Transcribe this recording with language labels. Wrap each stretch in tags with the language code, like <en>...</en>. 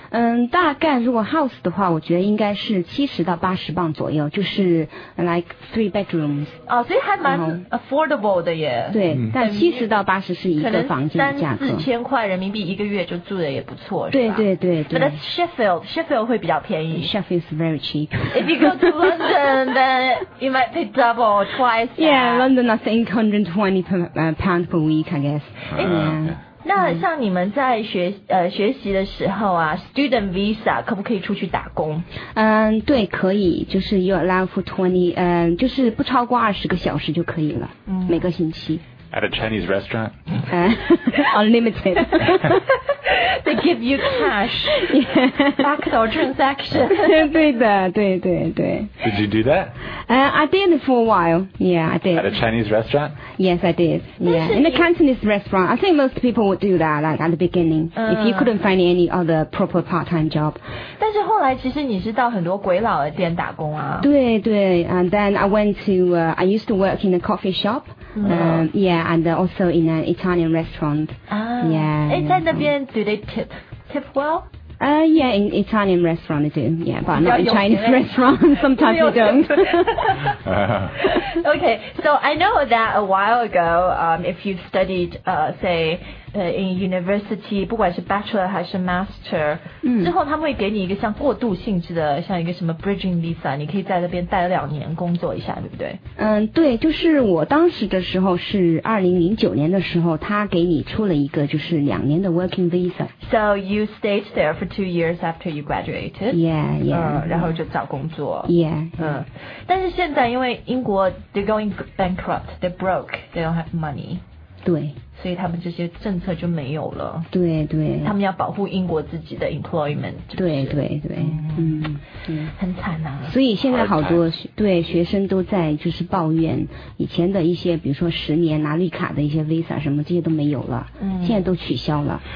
<zh>嗯，大概如果 house 的话，我觉得应该是70到80磅左右，就是</zh> <en>like three bedrooms。</en> <zh>哦，所以还蛮 affordable 的耶。对，但70到80是一个房间的价格， 3-4千块人民币一个月就住的也不错，对对对对。</zh> <en>But that's Sheffield</en> <zh>会比较便宜。</zh> <en>Sheffield is very cheap. If you go to London, then you might pay double, twice. Yeah, London has income. £120 per week, I guess.</en> <zh>那像你们在学习的时候啊 ，student visa 可不可以出去打工？嗯，对，可以，就是</zh> <en>you're allowed for 20，</en> <zh>就是不超过20个小时就可以了，嗯、每个星期。</zh> <en>At a Chinese restaurant? Unlimited. They give you cash. Back to our transaction.</en> <zh>对的，对对对。</zh> <en>Did you do that? I did for a while. Yeah, I did. At a Chinese restaurant? Yes, I did. Yeah, in a Cantonese restaurant. I think most people would do that, like at the beginning. If you couldn't find any other proper part-time job.</en> <zh>但是后来其实你是到很多鬼佬的店打工啊。对对</zh> <en>，and then I went to, I used to work in a coffee shop. Yeah, and also in an Italian restaurant. Ah, yeah.</en> <zh>在那边</zh> <en>do they tip well? Yeah, in Italian restaurant I do. Yeah, but not in Chinese restaurant. Sometimes you don't. Okay, so I know that a while ago, if you studied, in university,</en> <zh>不管是 bachelor 还是 master，之后他们会给你一个像过渡性质的，像一个什么 bridging visa， 你可以在那边待两年工作一下，对不对？对，就是我当时的时候是2009年的时候，他给你出了一个就是两年的 working visa。</zh> <en>So you stayed there for 2 years after you graduated. Yeah.</en> <zh>然后就找工作。</zh> <en>Yeah.</en> <zh>但是现在因为英国</zh> <en>they're going bankrupt, they're broke, they don't have money。</en> <zh>对。所以他们这些政策就没有了。对对，他们要保护英国自己的 employment。对对对，很惨啊。所以现在好多对学生都在就是抱怨，以前的一些比如说十年拿绿卡的一些 visa 什么这些都没有了，现在都取消了。</zh>